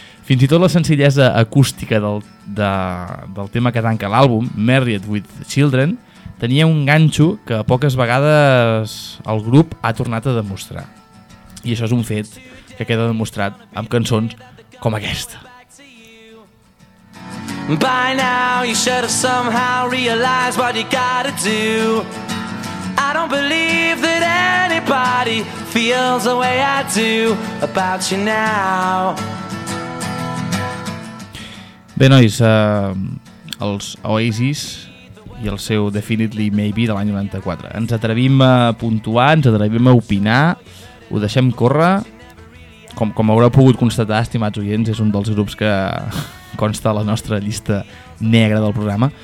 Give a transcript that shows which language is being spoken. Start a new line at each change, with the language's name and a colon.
Catalan: Fins i tot la senzillesa acústica del tema que tanca l'àlbum, Married with Children, tenia un ganxo que poques vegades el grup ha tornat a demostrar. I això és un fet que queda demostrat amb cançons com aquesta.
English: By now you should have somehow realized what you gotta do. I don't believe that anybody feels the way I do about you now.
Catalan: Bé, nois, els Oasis i el seu Definitely Maybe de l'any 94. Ens atrevim a puntuar, ens atrevim a opinar, ho deixem córrer. Com haureu pogut constatar, estimats oients, és un dels grups que consta a la nostra llista negra del programa.